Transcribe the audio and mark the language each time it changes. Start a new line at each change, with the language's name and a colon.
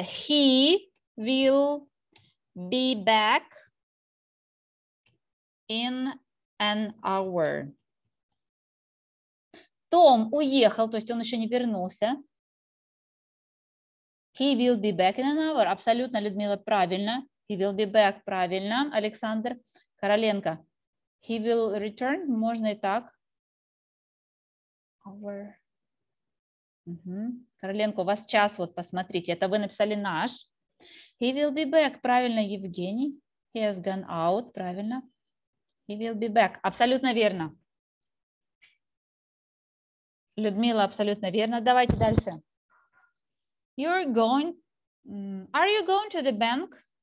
English: He will be back in an hour.
Russian: Том уехал, то есть он еще не вернулся.
English: He will be back in an hour.
Russian: Абсолютно, Людмила, правильно.
English: He will be back,
Russian: правильно. Александр Короленко.
English: He will return,
Russian: можно и так.
English: Hour. Угу.
Russian: Короленко, у вас час, вот посмотрите, это вы написали наш.
English: He will be back,
Russian: правильно, Евгений.
English: He has gone out,
Russian: правильно.
English: He will be back,
Russian: абсолютно верно. Людмила, абсолютно верно. Давайте дальше.
English: Are you going to the bank?